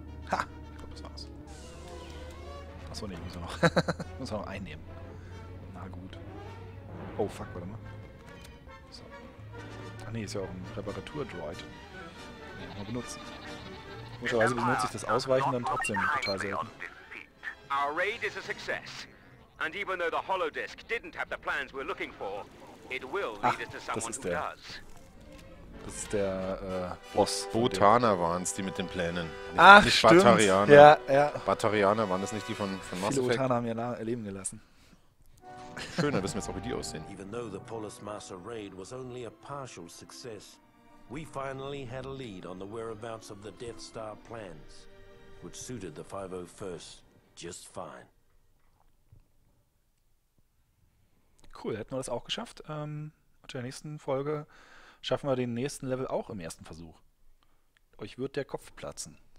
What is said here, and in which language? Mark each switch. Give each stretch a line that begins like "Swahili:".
German: Ha! Ich glaube, das war's. Achso, nee, muss er noch. Muss er noch einnehmen. Na gut. Oh, fuck, warte mal. So. Ach nee, ist ja auch ein Reparatur-Droid. Nee, mal benutzen. Möglicherweise benutze ich das Ausweichen dann trotzdem total selten.
English: Our raid is a success. And even though the holodisk didn't have the plans we're looking for, it will lead us to someone who does.
German: Das ist der Boss. Botaner waren es, die mit den Plänen. Ach, nicht stimmt. Batarianer. Ja, ja. Batarianer waren das nicht die von Mass Effect? Viele Botaner haben ja erleben gelassen. Schön, dann wissen wir jetzt auch, wie die aussehen.
English: Even though the Polis Master Raid was only a partial success, we finally had a lead on the whereabouts of the Death Star plans, which suited the 501st just fine.
German: Cool, hätten wir das auch geschafft. In der nächsten Folge schaffen wir den nächsten Level auch im ersten Versuch. Euch wird der Kopf platzen.